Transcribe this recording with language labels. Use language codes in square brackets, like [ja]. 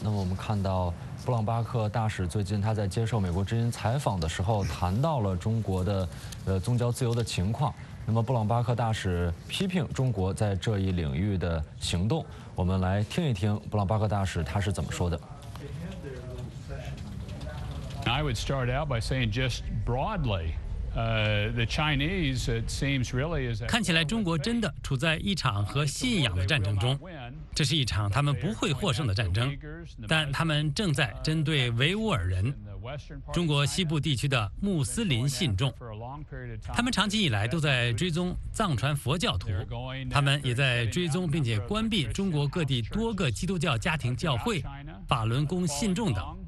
[zh] 那么我们看到布朗巴克大使最近他在接受美国之音采访的时候谈到了中国的宗教自由的情况。那么布朗巴克大使批评中国在这一领域的行动，我们来听一听布朗巴克大使他是怎么说的。 [en] I would start out by saying just broadly, the Chinese, it seems really is. [zh] 看起来中国真的处在一场和信仰的战争中，这是一场他们不会获胜的战争，但他们正在针对维吾尔人。中国西部地区的穆斯林信众，他们长期以来都在追踪藏传佛教徒，他们也在追踪并且关闭中国各地多个基督教家庭教会、法轮功信众等。